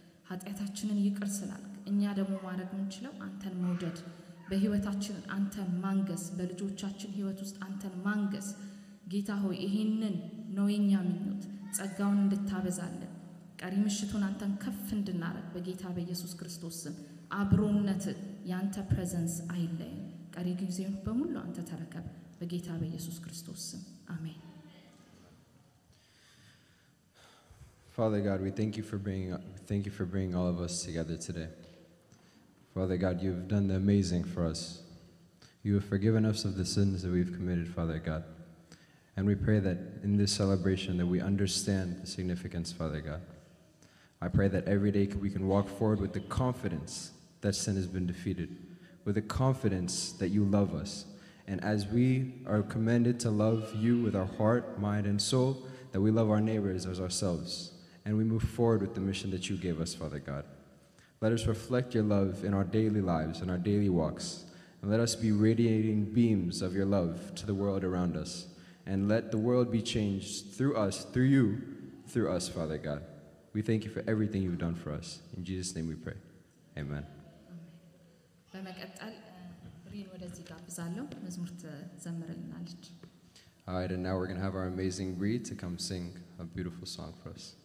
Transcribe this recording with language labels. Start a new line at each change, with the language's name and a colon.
Amharic: ኃጢአታችንን ይቅር ስላልክ እኛ ደግሞ ማረግ ምንችለው አንተን መውደድ በህይወታችን አንተን ማንገስ በልጆቻችን ህይወት ውስጥ አንተን ማንገስ ጌታ ሆይ ይሄንን ነው የኛ ምኞት ጸጋውን እንድታበዛልን ቀሪ ምሽቱን አንተን ከፍ እንድናረግ በጌታ በኢየሱስ ክርስቶስም አብሮነት ያንተ ፕሬዘንስ አይለ ቀሪ ጊዜውን በሙሉ አንተ ተረከብ በጌታ በኢየሱስ ክርስቶስ አሜን
English: Father God we thank you for bringing all of us together today Father God you've done the amazing for us you have forgiven us of the sins that we've committed Father God and we pray that in this celebration that we understand the significance Father God I pray that every day we can walk forward with the confidence that sin has been defeated, with the confidence that you love us. And as we are commanded to love you with our heart, mind, and soul, that we love our neighbors as ourselves. And we move forward with the mission that you gave us, Father God. Let us reflect your love in our daily lives, in our daily walks. And let us be radiating beams of your love to the world around us. And let the world be changed through us, through you, through us, Father God. We thank you for everything you've done for us. In Jesus' name we pray. Amen.
Amharic: በመቀጠል ሪን ወደዚህ ጋብዛለሁ መዝሙር ተዘምርልናለች
English: All right, and now we're going to have our amazing Bree to come sing a beautiful song for us